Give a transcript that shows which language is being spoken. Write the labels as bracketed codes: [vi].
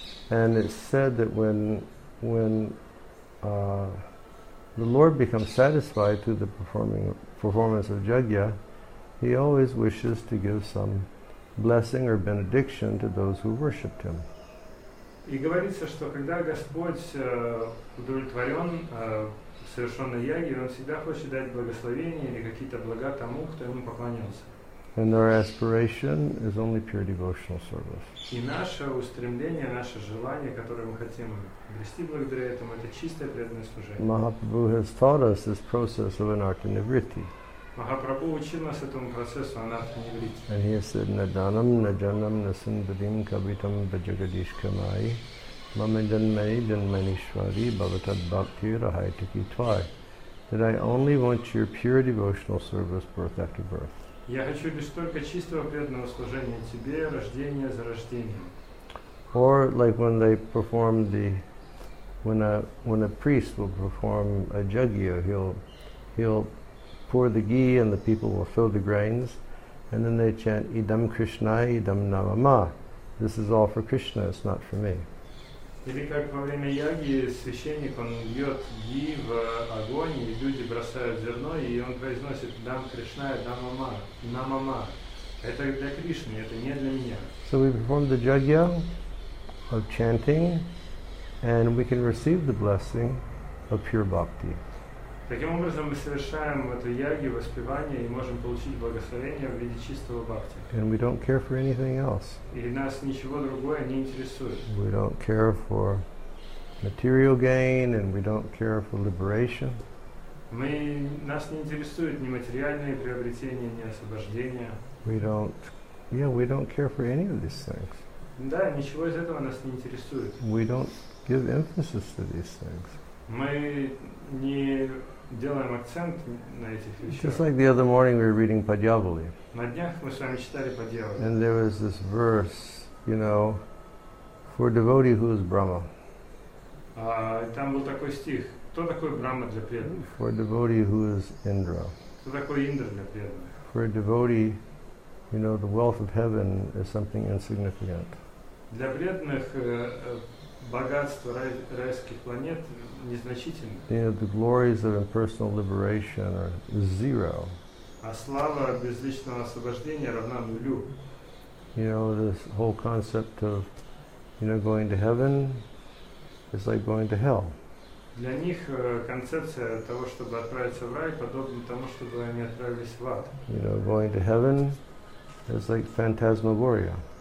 [en] And it's said that when the Lord becomes satisfied through the performance of jagya, he always wishes to give some blessing or benediction to those who worshipped him. [ru] И говорится, что когда Господь удовлетворен совершенной ягьей, он всегда хочет дать благословение или какие-то блага тому, кто ему поклонился. [en] And our aspiration is only pure devotional service. [ru] И наше устремление, наше желание, которое мы хотим обрести благодаря этому, это чистое преданное служение. [en] Mahaprabhu has taught us this process of anartha nivritti. [ru] Mahaprabhu учил нас этому процессу анартха нивритти. [en] And he has said, [sa] Наданам, наджанам, насандадим, кавитам, баджагадишкамай, маманджанмай, джанманишвари, бхаватад бхакти, рахайтаки твай. [en] That I only want your pure devotional service birth after birth. [ru] Я хочу лишь только чистого преданного служения тебе, рождение за рождением. [en] Or like when they perform the when a priest will perform a jagya, he'll pour the ghee and the people will fill the grains, and then they chant [sa] idam Krishna idam Navama. [en] This is all for Krishna, it's not for me. [ru] Или как во время яги священник он льет ги в огонь, и люди бросают зерно, и он произносит [sa] дам Кришна, дам мама, на мама. [ru] Это для Кришны, это не для меня. [en] So we perform the jagya of chanting, and we can receive the blessing of pure bhakti. [ru] Таким образом мы совершаем эту ягью воспевание и можем получить благословение в виде чистого бхакти. [en] And we don't care for anything else. [ru] И нас ничего другое не интересует. [en] We don't care for material gain and we don't care for liberation. [ru] Нас не интересует ни материальные приобретения, ни освобождение. [en] We don't care for any of these things. [ru] Да, ничего из этого нас не интересует. [en] We don't give emphasis to these things. [ru] Мы не делаем акцент на этих вещах. [en] Just like the other morning we were reading Padyavali. [ru] На днях мы с вами читали Падьяволи. [en] And there was this verse, you know, for a devotee who is Brahma. [ru] Там был такой стих. Кто такой Брахма для преданных? [en] For a devotee who is Indra. [ru] Кто такой Индра для преданных? [en] For a devotee, you know, the wealth of heaven is something insignificant. [ru] Для преданных богатство райских планет незначительно. [en] You know, the glories of impersonal liberation are zero. [ru] А слава безличного освобождения равна нулю. [en] You know, this whole concept of, you know, going to heaven is like going to hell. [ru] Для них концепция того, чтобы отправиться в рай, подобна тому, чтобы они отправились в ад. [en] You know, going to heaven is like phantasmagoria.